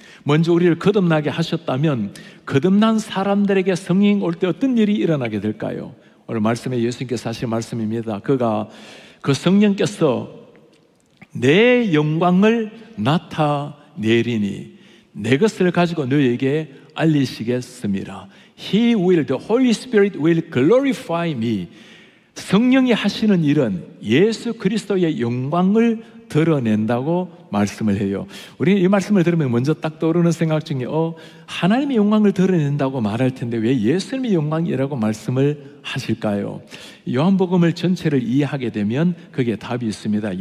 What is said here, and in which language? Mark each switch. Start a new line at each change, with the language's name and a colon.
Korean: 먼저 우리를 거듭나게 하셨다면 거듭난 사람들에게 성령이 올 때 어떤 일이 일어나게 될까요? 오늘 말씀에 예수님께서 하신 말씀입니다. 그 성령께서 내 영광을 나타내리니 내 것을 가지고 너에게 알리시겠습니다.
English: He will, the Holy Spirit will glorify me.
Korean: 성령이 하시는 일은 예수 그리스도의 영광을 드러낸다고 말씀을 해요. 우리 이 말씀을 들으면 먼저 딱 떠오르는 생각 중에 하나님의 영광을 드러낸다고 말할 텐데 왜 예수님의 영광이라고 말씀을 하실까요? 요한복음을 전체를 이해하게 되면 그게 답이 있습니다.